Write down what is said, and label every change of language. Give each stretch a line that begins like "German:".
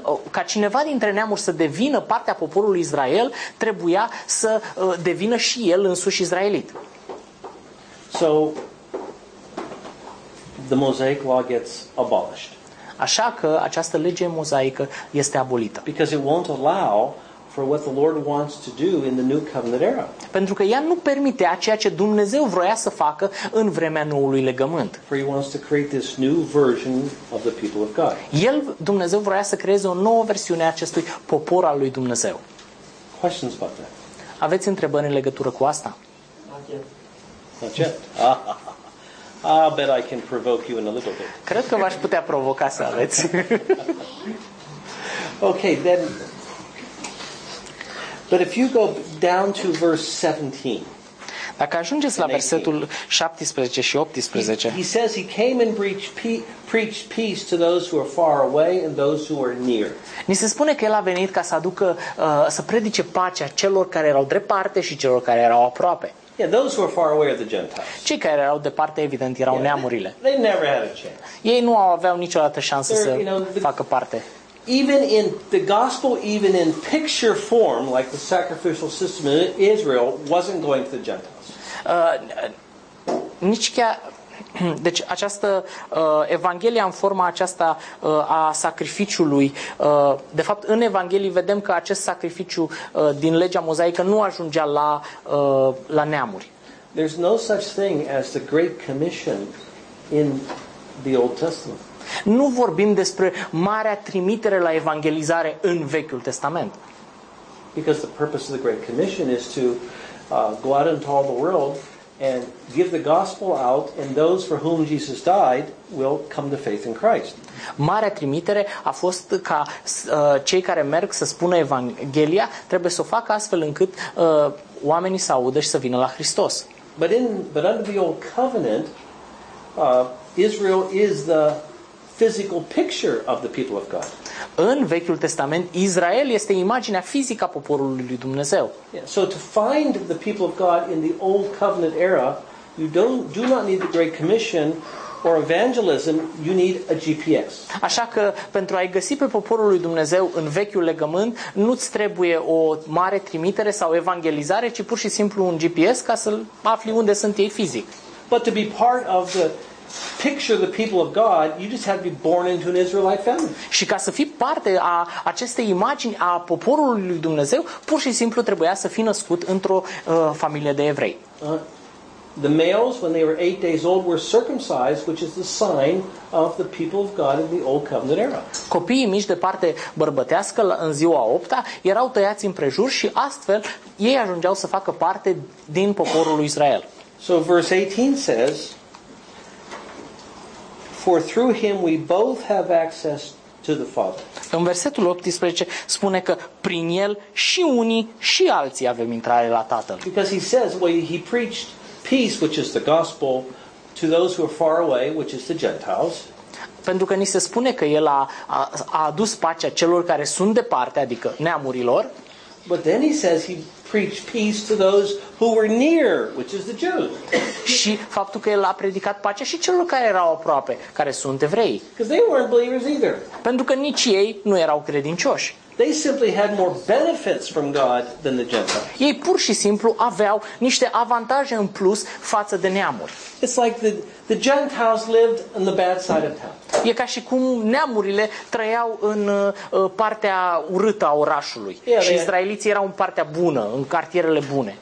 Romanian: Ca cineva dintre neamuri să devină parte a poporului Israel, trebuia să devină și el însuși israelit.
English: So the Mosaic law gets abolished.
Romanian: Așa că această lege mozaică este abolită.
English: Because it won't allow for what the Lord wants to do in the new covenant era.
Romanian: Pentru că ea nu permitea ceea ce Dumnezeu vroia să facă în vremea noului legământ.
English: For he wants to create this new version of the people of God.
Romanian: El, Dumnezeu, vroia să creeze o nouă versiune a acestui popor al lui Dumnezeu.
English: Questions about that?
Romanian: Aveți întrebări în legătură cu asta?
English: Not yet. Ah, but I can provoke you in a little bit.
Romanian: Cred că v-aș putea provoca să aveți.
English: Okay, then. But if you go down to verse 17.
Romanian: Dacă ajungeți la versetul 17 și 18.
English: He says he came and preached peace to those who are far away and those who are near.
Romanian: Ni se spune că el a venit ca să aducă să predice pacea celor care erau departe și celor care erau aproape.
English: Yeah, those who are far away are the Gentiles.
Romanian: Cei care erau departe, evident, erau neamurile.
English: They never had a chance.
Romanian: Ei nu aveau niciodată șansă să facă parte.
English: Even in the gospel, even in picture form, like the sacrificial system in Israel, wasn't going to the Gentiles.
Romanian: Deci această evanghelia în forma aceasta a sacrificiului, de fapt în evanghelie vedem că acest sacrificiu din legea mozaică nu ajungea la la neamuri.
English: There's no such thing as the Great Commission in the Old Testament.
Romanian: Nu vorbim despre marea trimitere la evangelizare în Vechiul Testament.
English: Because the purpose of the Great Commission is to go out into all the world and give the gospel out, and those for whom Jesus died will come to faith in Christ.
Romanian: Marea trimitere a fost ca cei care merg să spună evanghelia trebuie să o facă astfel încât oamenii să audă și să vină la Hristos.
English: But under the old covenant, Israel is the physical picture of the people of God.
Romanian: În Vechiul Testament, Israel este imaginea fizică a poporului lui Dumnezeu.
English: Yeah, so to find the people of God in the old covenant era, you do not need the Great Commission or evangelism, you need a GPS.
Romanian: Așa că pentru a-i găsi pe poporul lui Dumnezeu în Vechiul Legământ, nu-ți trebuie o mare trimitere sau evangelizare, ci pur și simplu un GPS ca să afli unde sunt ei fizic.
English: But to be part of the picture the people of God, you just have to be born into an Israelite family.
Romanian: Și ca să fii parte a acestei imagini a poporului lui Dumnezeu, pur și simplu trebuia să fii născut într-o familie de evrei.
English: The males, when they were 8 days old, were circumcised, which is the sign of the people of God in the old covenant era.
Romanian: Copiii mici de parte bărbătească în ziua 8-a erau tăiați împrejur și astfel ei ajungeau să facă parte din poporul lui Israel.
English: So verse 18 says, for through him we both have access to the Father.
Romanian: În versetul 18 spune că prin el și unii și alții avem intrare la Tatăl.
English: Because he says, well, he preached peace, which is the gospel, to those who are far away, which is the Gentiles.
Romanian: Pentru că ni se spune că el a adus pacea celor care sunt departe, adică neamurilor.
English: But then he says he preach peace to those who were near, which is the Jews.
Romanian: Și faptul că el a predicat pacea și celor care erau aproape, care sunt evrei.
English: Because they weren't believers either.
Romanian: Pentru că nici ei nu erau credincioși.
English: They simply had more benefits from God than the Gentiles.
Romanian: Ei pur și simplu aveau niște avantaje în plus față de neamuri.
English: It's like the Gentiles lived on the bad side of town.
Romanian: E ca și cum neamurile trăiau în partea urâtă a orașului.
English: Yeah,
Romanian: și izraeliții erau în partea bună, în cartierele bune.